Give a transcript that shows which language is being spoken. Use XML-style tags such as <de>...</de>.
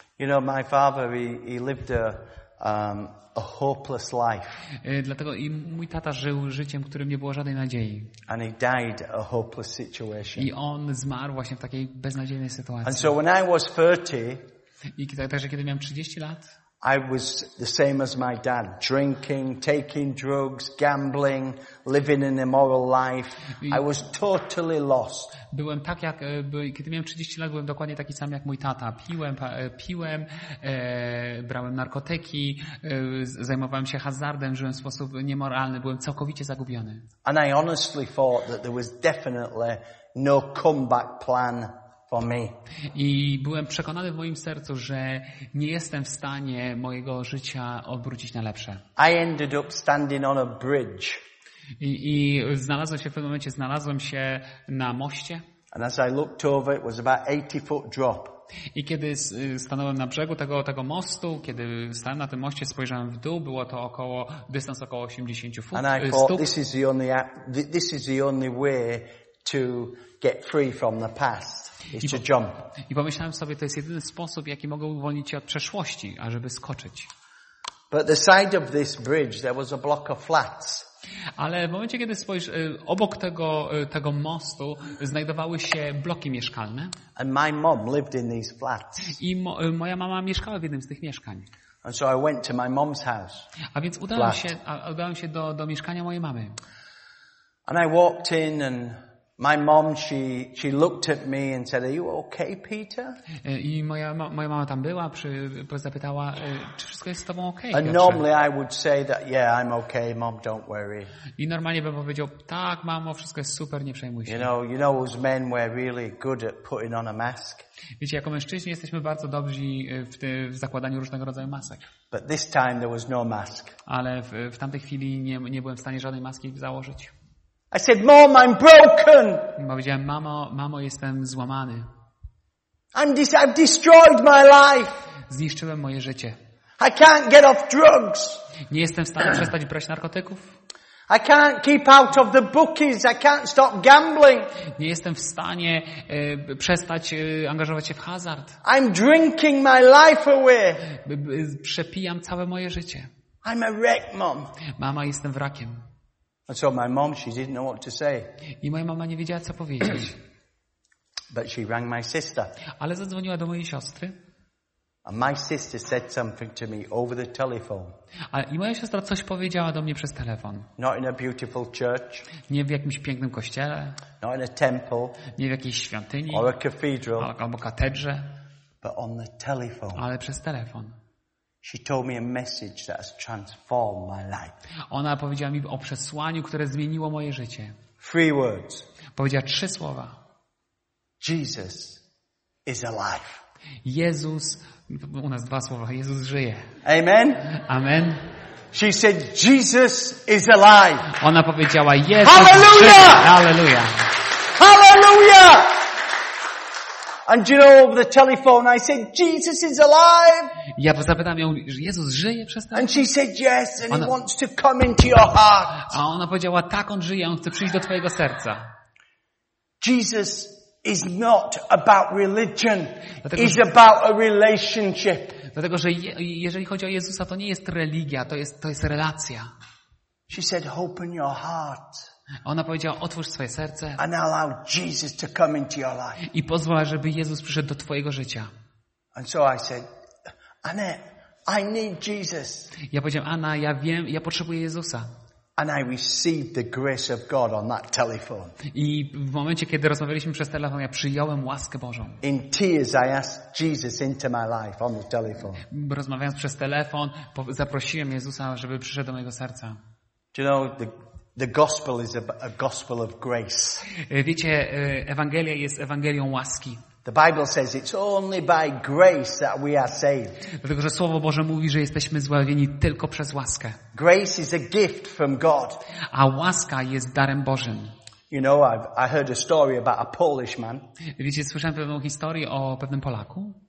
<en>You know, my father, he lived a hopeless life.</en> <pl>Dlatego i mój tata żył życiem, w którym nie było żadnej nadziei.</pl> <en>And he died a hopeless situation.</en> <pl>I on zmarł właśnie w takiej beznadziejnej sytuacji.</pl> <en>And so when I was 30,</en> <pl>także kiedy miałem 30 lat,</pl> <en>I was the same as my dad, drinking, taking drugs, gambling, living an immoral life. I was totally lost.</en> <pl>Byłem tak jak kiedy miałem 30 lat, byłem dokładnie taki sam jak mój tata. Piłem, brałem narkotyki, zajmowałem się hazardem, żyłem w sposób niemoralny, byłem całkowicie zagubiony.</pl> <en>And I honestly thought that there was definitely no comeback plan.</en> <pl>I byłem przekonany w moim sercu, że nie jestem w stanie mojego życia obrócić na lepsze.</pl> <en>I ended up standing on a bridge.</en> <pl>I znalazłem się w pewnym momencie, znalazłem się na moście.</pl> <en>And as I looked over, it was about 80-foot drop.</en> <pl>I kiedy stanąłem na brzegu tego mostu, kiedy stałem na tym moście, spojrzałem w dół, było to około dystans około 80 stóp.</pl> <en>And I thought, this is the only way to get free from the past. It's a jump.</en> <pl>I pomyślałem sobie, to jest jedyny sposób, jaki mogę uwolnić się od przeszłości, ażeby skoczyć.</pl> <en>But the side of this bridge, there was a block of flats.</en> <pl>Ale w momencie, kiedy spojrzysz, obok tego mostu znajdowały się bloki mieszkalne.</pl> <en>And my mom lived in these flats.</en> <pl>I moja mama mieszkała w jednym z tych mieszkań.</pl> <en>And so I went to my mom's house.</en> <pl>A więc udałem się do mieszkania mojej mamy.</pl> <en>And I walked in and my mom, she looked at me and said, "Are you okay, Peter?"</en> <pl>I moja mama tam była, zapytała, czy wszystko jest z tobą okej, Piotrze?</pl> <en>And normally I would say that, "Yeah, I'm okay, mom, don't worry."</en> <pl>I normalnie bym powiedział, tak, mamo, wszystko jest super, nie przejmuj się.</pl> <en>You know, those men were really good at putting on a mask.</en> <pl>Wiecie, jako mężczyźni jesteśmy bardzo dobrzy w zakładaniu różnego rodzaju masek.</pl> <en>But this time there was no mask.</en> <pl>Ale w tamtej chwili nie byłem w stanie żadnej maski założyć.</pl> <en>I said, "Mom, I'm broken."</en> <pl>Powiedziałem, mamo, jestem złamany.</pl> <en>I've destroyed my life.</en> <pl>Zniszczyłem moje życie.</pl> <en>I can't get off drugs.</en> <pl>Nie jestem w stanie przestać brać narkotyków.</pl> <en>I can't keep out of the bookies. I can't stop gambling.</en> <pl>Nie jestem w stanie przestać angażować się w hazard.</pl> <en>I'm drinking my life away.</en> <pl>Przepijam całe moje życie.</pl> <en>I'm a wreck, mom.</en> <pl>Mama, jestem wrakiem.</pl> <en>And so my mom, she didn't know what to say.</en> <pl>I moja mama nie wiedziała, co powiedzieć.</pl> <en>But she rang my sister.</en> <pl>Ale zadzwoniła do mojej siostry.</pl> <en>And my sister said something to me over the telephone.</en> <pl>I moja siostra coś powiedziała do mnie przez telefon.</pl> <en>Not in a beautiful church.</en> <pl>Nie w jakimś pięknym kościele.</pl> <en>Not in a temple.</en> <pl>Nie w jakiejś świątyni.</pl> <en>Or a cathedral.</en> <pl>Albo katedrze.</pl> <en>But on the telephone.</en> <pl>Ale przez telefon.</pl> <en>She told me a message that has transformed my life.</en> <pl>Ona powiedziała mi o przesłaniu, które zmieniło moje życie.</pl> <en>Three words.</en> <pl>Powiedziała trzy słowa.</pl> <en>Jesus is alive.</en> <pl>Jezus, u nas dwa słowa. Jezus żyje.</pl> <en>Amen.</en> <pl>Amen.</pl> <en>She said, "Jesus is alive."</en> <pl>Ona powiedziała, Jezus żyje.</pl> <en>Hallelujah. Hallelujah. And you know, over the telephone, I said, "Jesus is alive."</en> <pl>Ja zapytałem ją, że Jezus żyje przez telefon.</pl> <en>And she said, "Yes, and he wants to come into your heart."</en> <pl>A ona powiedziała, tak, on żyje, on chce przyjść do twojego serca.</pl> <en>Jesus is not about religion. He's about a relationship.</en> <pl>Dlatego, że jeżeli chodzi o Jezusa, to nie jest religia, to jest relacja.</pl> <en>She said, "Open your heart."</en> <pl>Ona powiedziała, otwórz swoje serce</pl> <en>and allow Jesus to come into your life.</en> <pl>I pozwól, żeby Jezus przyszedł do twojego życia.</pl> <en>And so I said, "Anna, I need Jesus."</en> <pl>Ja powiedziałem, Anna, ja wiem, ja potrzebuję Jezusa.</pl> <en>And I received the grace of God on that telephone.</en> <pl>I w momencie, kiedy rozmawialiśmy przez telefon, ja przyjąłem łaskę Bożą.</pl> <en>In tears, I asked Jesus into my life on the telephone.</en> <pl>Rozmawiając przez telefon, zaprosiłem Jezusa, żeby przyszedł do mojego serca.</pl> <en>Do you know the gospel is a gospel of grace?</en> <pl>Wiecie, Ewangelia jest Ewangelią łaski.</pl> <en>The Bible says it's only by grace that we are saved.</en> <pl>Dlatego, że Słowo Boże mówi, że jesteśmy zbawieni tylko przez łaskę.</pl> <en>Grace is a gift from God.</en> <pl>A łaska jest darem Bożym.</pl> <en>You know, I heard a story about a Polish man.</en> <pl>Wiecie, słyszałem pewną historię o pewnym Polaku.</pl>